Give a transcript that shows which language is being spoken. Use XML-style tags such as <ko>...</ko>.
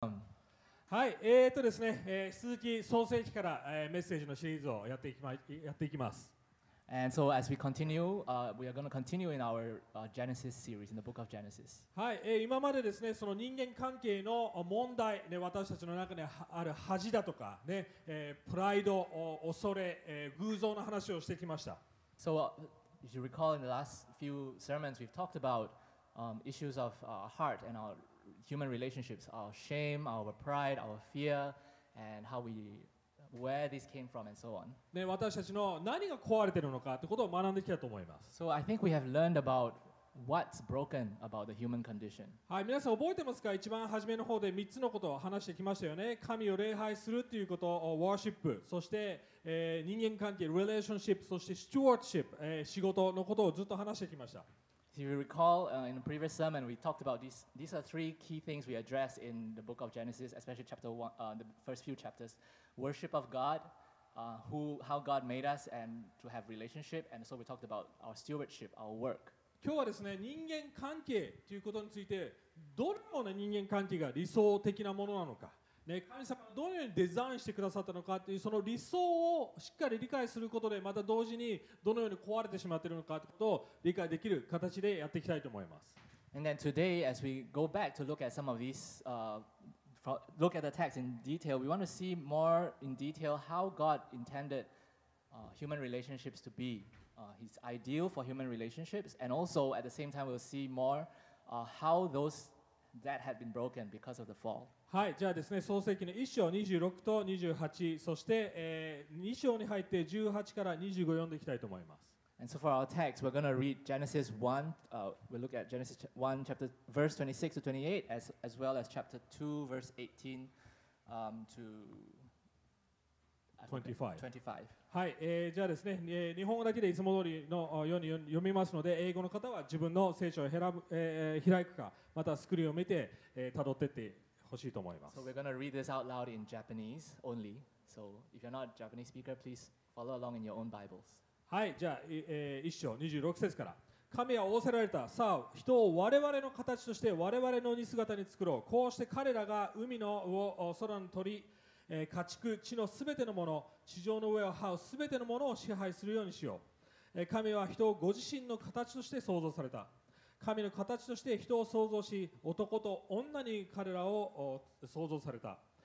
<ja>はい、ですね、引き続き創世記から、メッセージのシリーズをやっていきます。</ja> <en>And so as we continue, we are going to continue in our Genesis series, in the book of Genesis.</en> <ja>はい、今までですね、その人間関係の問題、ね、私たちの中にある恥だとか、ね、プライド、恐れ、偶像の話をしてきました。</ja> <en>So, if you recall in the last few sermons, we've talked about issues of our heart and our human relationships, our shame, our pride, our fear, and how we... Where this came from and so on.</en> <ja>ね、私たちの何が壊れているのかということを学んできたと思います。</ja> <en>So I think we have learned about what's broken about the human condition.</en> <ja>はい、皆さん覚えてますか？一番初めの方で3つのことを話してきましたよね。神を礼拝するということを worship、そして、人間関係 relationship、そして stewardship、仕事のことをずっと話してきました。</ja> <en>If you recall, in a previous sermon, we talked about these. These are three key things we address in the book of Genesis, especially chapter one, the first few chapters: worship of God, how God made us, and to have relationship. And so we talked about our stewardship, our work.</en> <ja>今日はですね、人間関係ということについて、どのような人間関係が理想的なものなのか、ね、神様がどのようにデザインしてくださったのかというその理想をしっかり理解することでまた同時にどのように壊れてしまっているのかということを理解できる形でやっていきたいと思います。</ja> <en>And then today as we go back to look at some of these look at the text in detail, we want to see more in detail how God intended human relationships to be, his ideal for human relationships, and also at the same time we'll see more how those that had been broken because of the fall.</en> <ja>はい、じゃあですね、創世記の1章26と28、そして、2章に入って18から25を読んでいきたいと思います。</ja> <en>And so for our text, we're going to read Genesis 1, we'll look at Genesis 1, chapter, verse 26 to 28, as well as chapter 2, verse 18 to 25.</en> <ja>はい、じゃあですね、日本語だけでいつも通りのように読みますので、英語の方は自分の聖書を開くか、またスクリーンを見て、辿っていって欲しいと思います。</ja> <en>So we're going to read this out loud in Japanese only. So if you're not a Japanese speaker, please follow along in your own Bibles.</en> <ja>はい、じゃあ、1章26節から。神は仰せられた。さあ、人を我々の形として我々の似姿に作ろう。こうして彼らが海の空の鳥、家畜、地のすべてのもの、地上の上を這うすべてのものを支配するようにしよう。神は人をご自身の形として創造された。神の形として人を創造し、男と女に彼らを創造された。</ja>